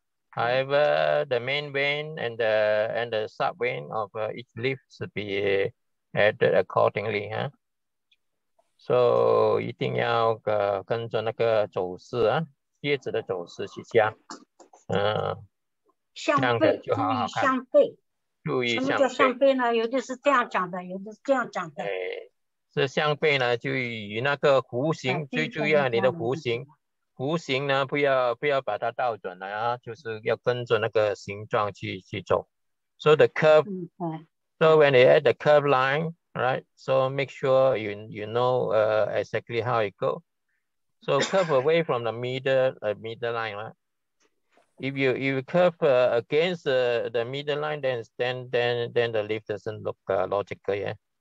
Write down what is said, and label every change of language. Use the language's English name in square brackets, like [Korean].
[English] However, the main vein and the sub vein of each leaf should be added accordingly, huh? [Chinese] So, 一定要跟着那个走势啊，叶子的走势去加，这样子就好好看。注意向背，向背呢，有的是这样讲的，有的是这样讲的。这向背呢，就以那个弧形，最重要你的弧形，弧形呢，不要把它倒转了啊，就是要跟着那个形状去走。 [English] So the curve. So when they add the curve line, right? So make sure you know exactly how it go. So curve away from the middle line, right? If you curve against the middle line, then the leaf doesn't look logical, yeah.